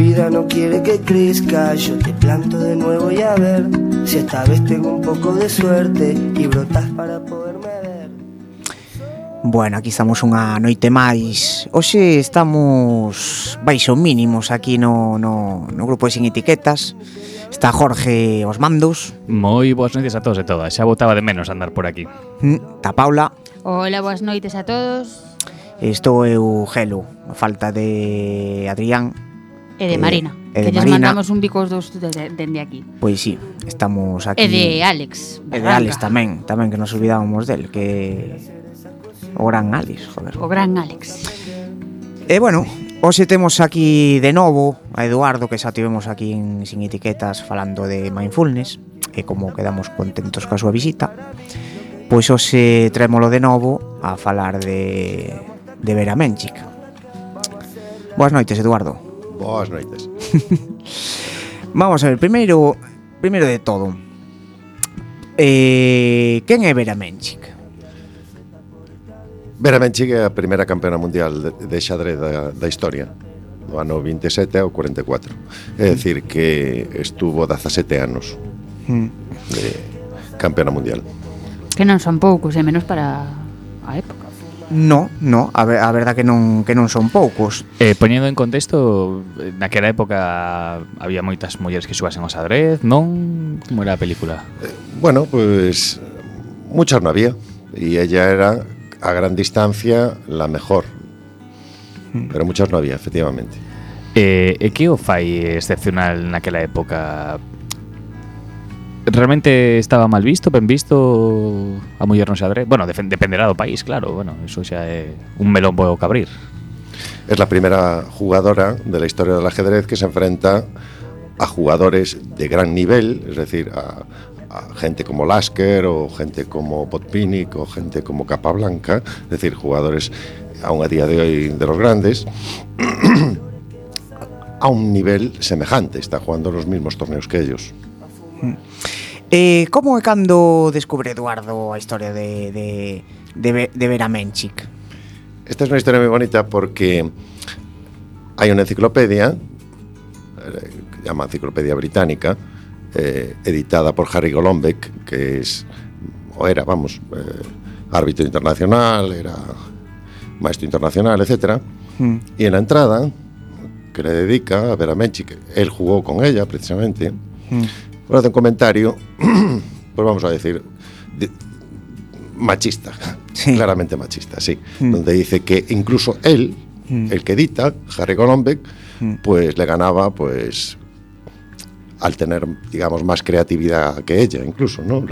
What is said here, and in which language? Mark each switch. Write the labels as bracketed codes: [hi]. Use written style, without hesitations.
[es] No quiere que crezca, yo te planto de nuevo y a ver si esta vez tengo un poco de suerte y brotas para poderme ver. [gl] Bueno, aquí estamos unha noite máis. Hoxe estamos baixo mínimos aquí no grupo de Sin Etiquetas. Está Jorge os mandos. Moi boas noites a todos e todas. Xa botaba de menos andar por aquí. Está Paula. Hola, boas noites a todos. Estou eu, Gelo. A falta de Adrián. E de Marina. Que les mandamos un bico os dos dende aquí. Pois sí, estamos aquí. E de Alex. E de Alex tamén, tamén que nos olvidábamos del, que o gran Alex, joder. O gran Alex. E bueno, hoxe temos aquí de novo a Eduardo, que xa tivemos aquí en Sin Etiquetas falando de Mindfulness, e como quedamos contentos coa súa visita, pois hoxe traémolo de novo a falar de Vera Menchik. Boas noites, Eduardo. Boas noites. Vamos a ver, primeiro de todo, quen é Vera Menchik? Vera Menchik é a primeira campeona mundial de xadrez da historia, do ano 27 ao 44. É dicir que estuvo 17 anos de campeona mundial. Que non son poucos, e menos para a época. No, a verdad que non son poucos. Poñendo en contexto, naquela época había moitas mulleres que xugasen o xadrez, non? Como era a película? [es] Bueno, pues muchas no había, e ella era a gran distancia la mejor. Pero muchas no había, efectivamente. [gl] Que o fai excepcional naquela época? Realmente estaba mal visto, ben visto a muller no xadrez? Bueno, dependerá do país, claro. Bueno, eso xa é un melón bo que abrir. [es] Es la primera jugadora de la historia del ajedrez que se enfrenta a jugadores de gran nivel, es decir, a gente como Lasker, o gente como Botvinnik, o gente como Capablanca, es decir, jugadores aún a día de hoy de los grandes, a un nivel semejante. Está jugando los mismos torneos que ellos. [gl] Como é cando descubre Eduardo a historia de Vera Menchik? Esta é unha historia moi bonita porque hai unha enciclopedia, que chama Enciclopedia Británica, editada por Harry Golombek, que era árbitro internacional, era maestro internacional, etc. E en a entrada [es] que le dedica a Vera Menchik, él jugó con ella precisamente. Hace un comentario, pues vamos a decir, machista, sí. Claramente machista, sí. Donde dice que incluso él, el que edita, Harry Golombek, pues le ganaba, pues, al tener, digamos, más creatividad que ella, incluso, ¿no?